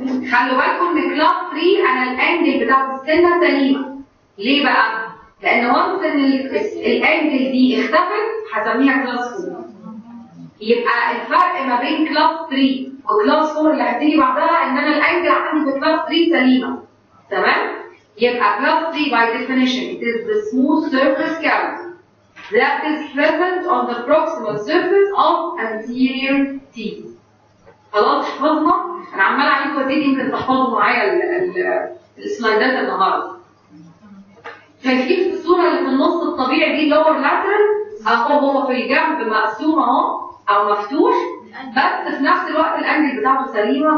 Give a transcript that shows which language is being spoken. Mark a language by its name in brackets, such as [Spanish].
[Arabic] خلوا بالكم ان كلاس 3 انا الانجل بتاعت السنه سليمه. ليه بقى؟ لان وقت ان الانجل دي اختفت هسميها كلاس 4. يبقى الفرق ما بين كلاس 3 وكلاس 4 اللي هتيجي بعدها ان انا الانجل عندي في كلاس 3 سليمه. تمام؟ يبقى كلاس 3 [English] by definition it is the smooth surface cavity that is present on the proximal surface of anterior teeth. [Arabic] خلاص حفظنا؟ انا عمال اعيد واديني يمكن تحفظوا معايا السلايدات النهارده. شايفين في الصوره اللي في النص الطبيعي دي لور لاترال اهو، هو في الجنب مقسوم اهو او مفتوح، بس في نفس الوقت الانجل بتاعته سليمه.